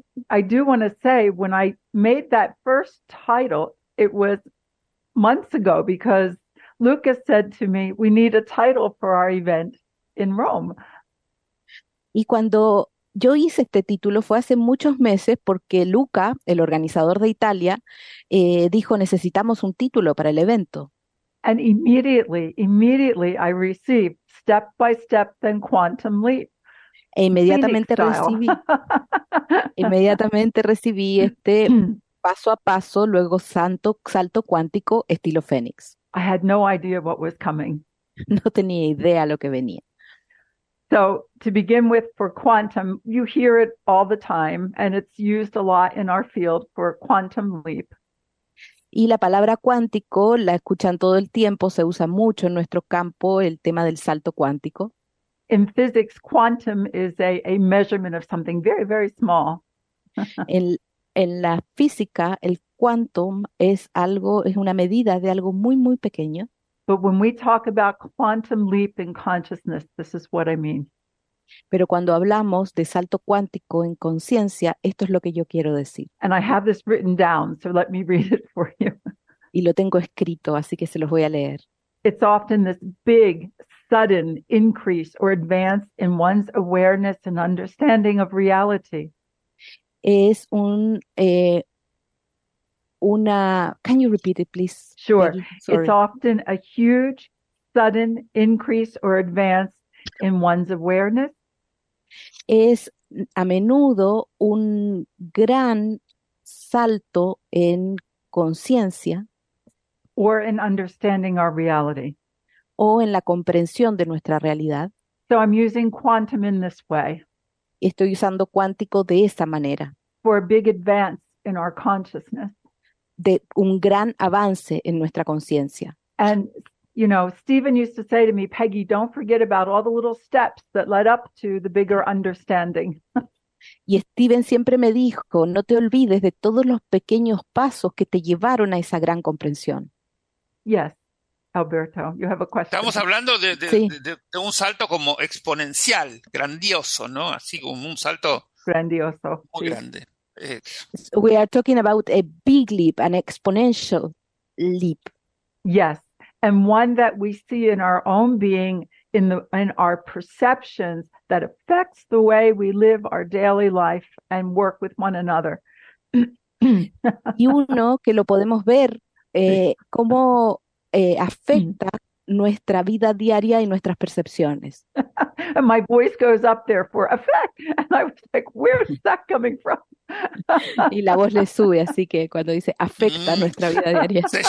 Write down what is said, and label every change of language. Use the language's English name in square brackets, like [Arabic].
[English] I do want to say when I made that first title, it was months ago because Lucas said to me, we need a title for our event in Rome. [Spanish] Y cuando yo hice este título fue hace muchos meses porque Luca, el organizador de Italia, dijo, necesitamos un título para el evento. [English] And immediately I received step by step then quantum leap. [Spanish] E inmediatamente recibí este paso a paso, luego salto cuántico estilo Fénix. [English] I had no idea what was coming. [Spanish] No tenía idea lo que venía. [English] So to begin with, for quantum, you hear it all the time, and it's used a lot in our field for quantum leap. [Spanish] Y la palabra cuántico la escuchan todo el tiempo, se usa mucho en nuestro campo el tema del salto cuántico. [English] In physics, quantum is a measurement of something very, very small. [Spanish] En la física, el quantum es una medida de algo muy, muy pequeño. [English] But when we talk about quantum leap in consciousness, this is what I mean. [Spanish] Pero cuando hablamos de salto cuántico en conciencia, esto es lo que yo quiero decir. [English] And I have this written down, so let me read it for you. [Spanish] Y lo tengo escrito, así que se los voy a leer. [English] It's often this big, sudden increase or advance in one's awareness and understanding of reality. [Spanish] Es un... [English] can you repeat it, please? Sure. It's often a huge, sudden increase or advance in one's awareness. [Spanish] Es a menudo un gran salto en conciencia. [English] Or in understanding our reality. [Spanish] o en la comprensión de nuestra realidad. [English] So I'm using quantum in this way. [Spanish] Estoy usando cuántico de esta manera. [English] For a big advance in our consciousness. [Spanish] De un gran avance en nuestra conciencia. [English] And you know, Stephen used to say to me, Peggy, don't forget about all the little steps that led up to the bigger understanding. [Spanish] Y Stephen siempre me dijo, no te olvides de todos los pequeños pasos que te llevaron a esa gran comprensión. [English] Yes, Alberto, you have a question. [Spanish] Estamos hablando de un salto como exponencial, grandioso, ¿no? Así como un salto grandioso, muy Grande. [English] We are talking about a big leap, an exponential leap. Yes. And one that we see in our own being, in our perceptions, that affects the way we live our daily life and work with one another. [Spanish] Y uno que lo podemos ver, cómo afecta nuestra vida diaria y nuestras percepciones. [English] And my voice goes up there for effect. And I was like, where is that coming from? [Spanish] Y la voz le sube, así que cuando dice afecta nuestra vida diaria.